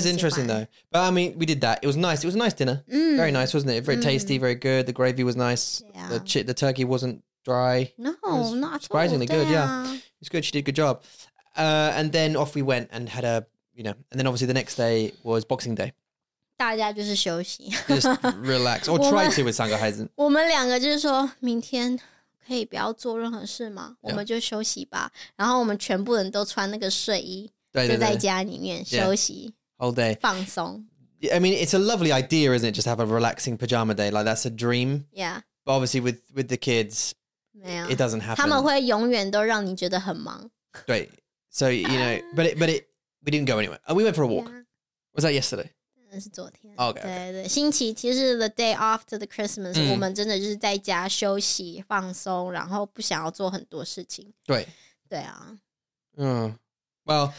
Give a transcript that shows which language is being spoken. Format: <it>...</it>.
<en>is interesting though. But I mean, we did that. It was nice. It was a nice dinner. Very nice, wasn't it? Very tasty. Very good. The gravy was nice. The turkey wasn't dry. No, not surprisingly good. Yeah, it's good. She did a good job. And then off we went and had a, you know, and then obviously the next day was Boxing Day.</en> <zh>大家就是休息。</zh> <en>Just relax. Or try to with</en> <zh>三个孩子。我们两个就是说,明天可以不要做任何事吗? 我们就休息吧。然后我们全部人都穿那个睡衣, 就在家里面休息。</zh> <en>Yeah. All day.</en> <zh>放松。</zh> <en>I mean, it's a lovely idea, isn't it? Just have a relaxing pajama day. Like, that's a dream. Yeah. But obviously with the kids, it doesn't happen.</en> <zh>他们会永远都让你觉得很忙。对。</zh> <en>So, you know, but we didn't go anywhere. Oh, we went for a walk. Yeah. Was that yesterday?</en> <zh>那是昨天。</zh> <en>Okay.</en> <zh>星期其实</zh> <en>the day after the Christmas,</en> <zh>我们真的就是在家休息,放松, 然后不想要做很多事情。对。对啊。</zh> <en>Well.</en>